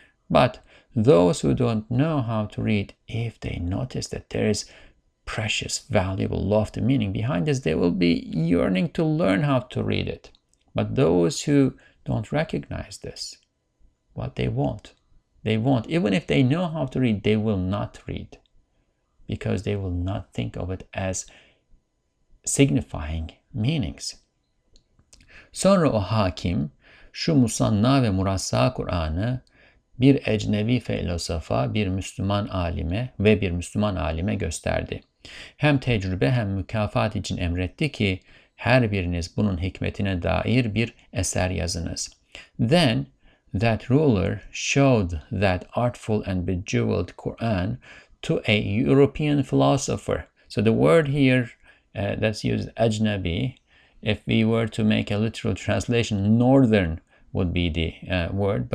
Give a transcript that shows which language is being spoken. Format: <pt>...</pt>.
<en>But those who don't know how to read, if they notice that there is precious, valuable, lofty meaning behind this, they will be yearning to learn how to read it. But those who don't recognize this, well, they won't. They won't. Even if they know how to read, they will not read, because they will not think of it as signifying meanings.</en> <tr>Sonra o hakim şu musanna ve murassa Kur'an'ı bir ecnevi filozofa, bir Müslüman alime ve bir Müslüman alime gösterdi. Hem tecrübe hem mükafat için emretti ki her biriniz bunun hikmetine dair bir eser yazınız.</tr> <en>Then that ruler showed that artful and bejeweled Quran to a European philosopher. So the word here that's used, ajnabi, if we were to make a literal translation, northern would be the word.</en>